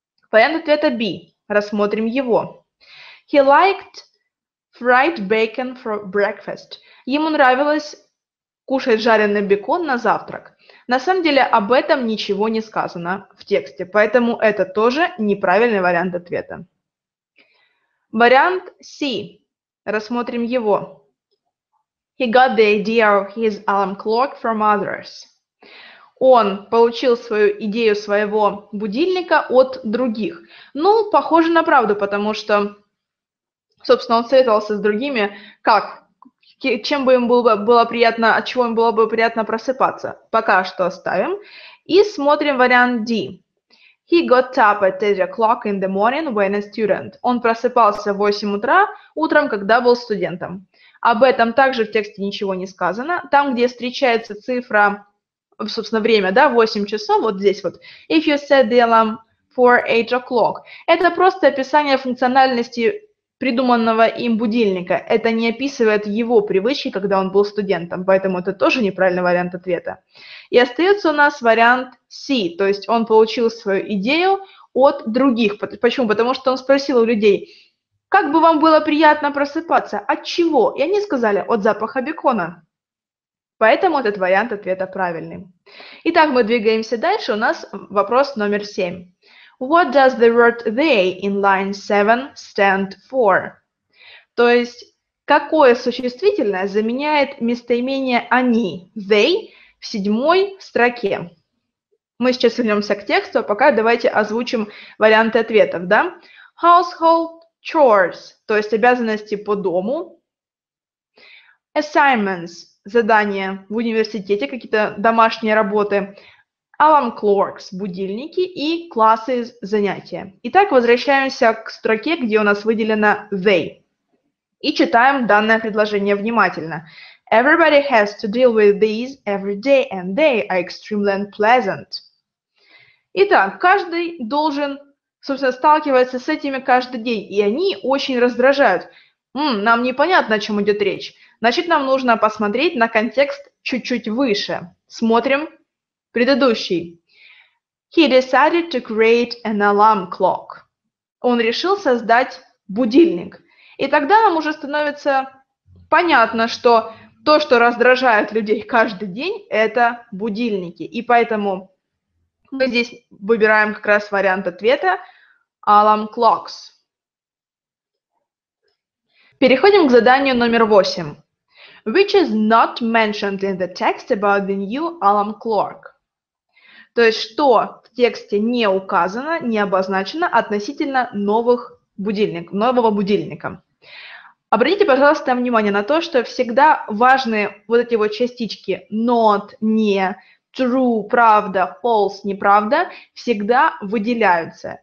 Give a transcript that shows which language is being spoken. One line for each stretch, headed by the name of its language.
Russian: Вариант ответа B. Рассмотрим его.
English: He liked fried bacon for breakfast.
Russian: Ему нравилось кушать жареный бекон на завтрак. На самом деле об этом ничего не сказано в тексте, поэтому это тоже неправильный вариант ответа. Вариант C. Рассмотрим его.
English: He got the idea of his alarm clock from others.
Russian: Он получил свою идею своего будильника от других. Ну, похоже на правду, потому что, собственно, он советовался с другими, как, чем бы им было приятно, от чего им было бы приятно просыпаться. Пока что оставим. И смотрим вариант D.
English: He got up at 3 o'clock in the morning when a student.
Russian: Он просыпался в 8 утра, утром, когда был студентом. Об этом также в тексте ничего не сказано. Там, где встречается цифра, собственно, время, да, 8 часов, вот здесь вот.
English: If you set the alarm for 8 o'clock.
Russian: Это просто описание функциональности придуманного им будильника. Это не описывает его привычки, когда он был студентом, поэтому это тоже неправильный вариант ответа. И остается у нас вариант C, то есть он получил свою идею от других. Почему? Потому что он спросил у людей, как бы вам было приятно просыпаться, от чего? И они сказали, от запаха бекона. Поэтому этот вариант ответа правильный. Итак, мы двигаемся дальше, у нас вопрос номер 7.
English: What does the word they in line 7 stand for?
Russian: То есть, какое существительное заменяет местоимение они, they, в седьмой строке? Мы сейчас вернемся к тексту, а пока давайте озвучим варианты ответов, да?
English: Household chores,
Russian: то есть обязанности по дому. Assignments, задания в университете, какие-то домашние работы.
English: Alarm clocks
Russian: – будильники и классы – занятия. Итак, возвращаемся к строке, где у нас выделено they. И читаем данное предложение внимательно.
English: Everybody has to deal with these every day, and they are extremely unpleasant.
Russian: Итак, каждый должен, собственно, сталкиваться с этими каждый день, и они очень раздражают. Нам непонятно, о чем идет речь. Значит, нам нужно посмотреть на контекст чуть-чуть выше. Смотрим. Предыдущий.
English: He decided to create an alarm clock.
Russian: Он решил создать будильник. И тогда нам уже становится понятно, что то, что раздражает людей каждый день, это будильники. И поэтому мы здесь выбираем как раз вариант ответа
English: alarm clocks.
Russian: Переходим к заданию номер 8.
English: Which is not mentioned in the text about the new alarm clock?
Russian: То есть, что в тексте не указано, не обозначено относительно нового будильника. Обратите, пожалуйста, внимание на то, что всегда важны вот эти вот частички not, не, true, правда, false, неправда, всегда выделяются.